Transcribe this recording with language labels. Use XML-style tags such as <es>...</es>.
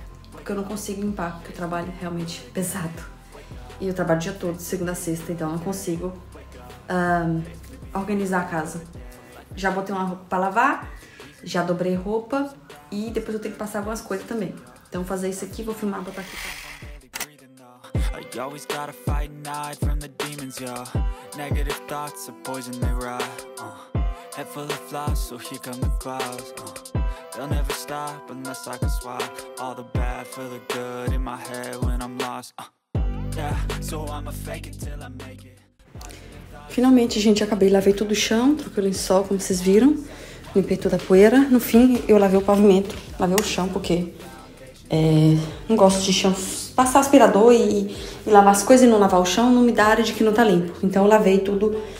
<pt>Porque eu não consigo limpar, porque o trabalho é realmente pesado. E eu trabalho o dia todo, segunda a sexta, então eu não consigo organizar a casa. Já botei uma roupa pra lavar, já dobrei roupa e depois eu tenho que passar algumas coisas também. Então vou fazer isso aqui, vou filmar, vou botar aqui.</pt> <en>You always gotta fight and hide from the demons, yo. Negative thoughts are poison they rot. Head full of flaws, so here come the clouds. They'll never stop unless I can swap all the bad for the good in my head when I'm lost. Yeah, so I'ma fake it till I make it.</en> <pt>Finalmente, gente, acabei. Lavei tudo o chão, troquei o lençol, como vocês viram. Limpei toda a poeira. No fim, eu lavei o pavimento, lavei o chão, porque não gosto de chão. Passar aspirador e lavar as coisas e não lavar o chão não me dá área de que não tá limpo. Então eu lavei tudo.</pt>